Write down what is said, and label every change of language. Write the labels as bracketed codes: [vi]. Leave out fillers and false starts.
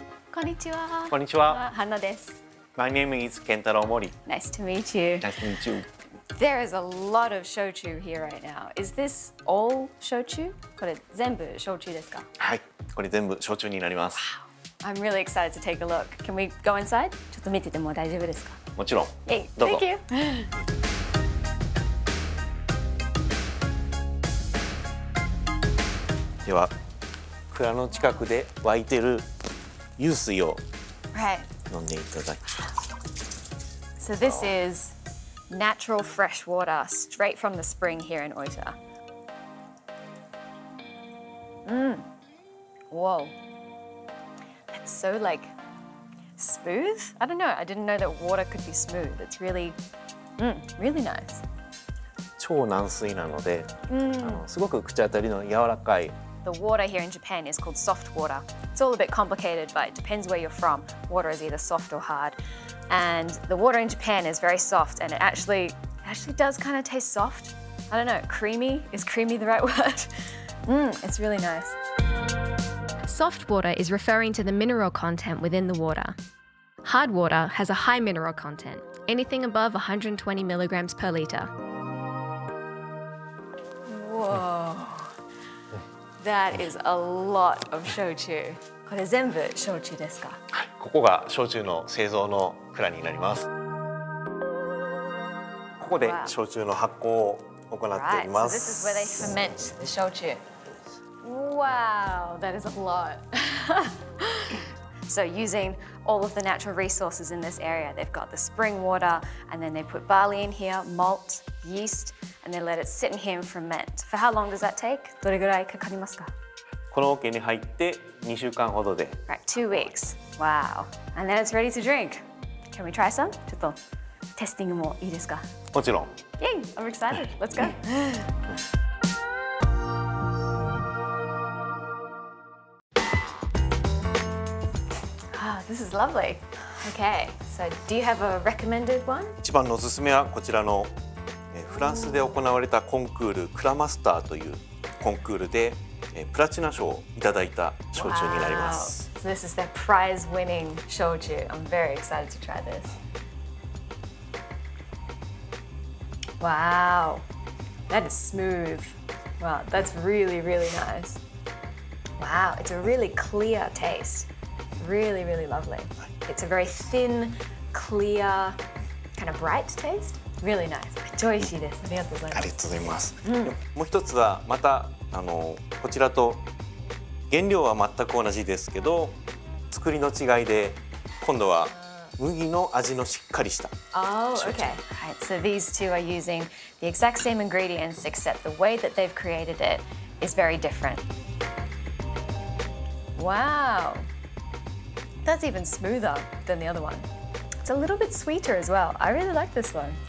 [ja] Konnichiwa. Hanna desu. [en] My name is Kentaro Mori. Nice to meet you. Nice to meet you. There is a lot of shochu here right now. Is this all shochu? [ja] これ全部焼酎ですか? はい、これ全部焼酎になります。 [en] Wow. I'm really excited to take a look. Can we go inside? [ja] ちょっと見てても大丈夫ですか? もちろん。 [en] Hey, [ja] どうぞ。 [en] Thank you. [ja] では、蔵の近くで湧いてる Yusui o nonde itadakimasu. [en] So this is natural fresh water straight from the spring here in Oita. Whoa. That's so like smooth. I don't know. I didn't know that water could be smooth. It's really, really nice. [ja] 超軟水なので、すごく口当たりの柔らかい。 [en] The water here in Japan is called soft water. It's all a bit complicated, but it depends where you're from. Water is either soft or hard. And the water in Japan is very soft, and it actually does kind of taste soft. I don't know, creamy? Is creamy the right word? It's really nice. Soft water is referring to the mineral content within the water. Hard water has a high mineral content, anything above 120 milligrams per liter. Whoa. That is a lot of 焼酎. [ja] これ全部焼酎ですか? はい、ここが焼酎の製造の蔵になります。ここで焼酎の発酵を行っています。 [en] Right, so this is where they ferment the 焼酎. Wow, that is a lot. So using all of the natural resources in this area, they've got the spring water, and then they put barley in here, malt, yeast, and they let it sit in here and ferment. For how long does that take? [ja] どれぐらいかかりますか? この桶に入って2週間ほどで。 [en] Right, 2 weeks. Wow. And then it's ready to drink. Can we try some? [ja] ちょっとテスティングもいいですか? もちろん。 [en] Yay! I'm excited. Let's go. This is lovely. Okay, so do you have a recommended one? [ja] 一番のおすすめはこちらのフランスで行われたコンクールクラマスターというコンクールでプラチナ賞をいただいた焼酎になります。 [en] Wow. So this is their prize-winning 焼酎.I'm very excited to try this. Wow, that is smooth. Wow, that's really, really nice. Wow, it's a really clear taste. Really, really lovely. It's a very thin, clear, kind of bright taste. Really nice. [ja] めっちゃ美味しいです。ありがとうございます。ありがとうございます。もう一つはまたこちらと原料は全く同じですけど、作りの違いで今度は麦の味のしっかりした。 [en] Oh, okay. Right. So these two are using the exact same ingredients, except the way that they've created it is very different. Wow. That's even smoother than the other one. It's a little bit sweeter as well. I really like this one.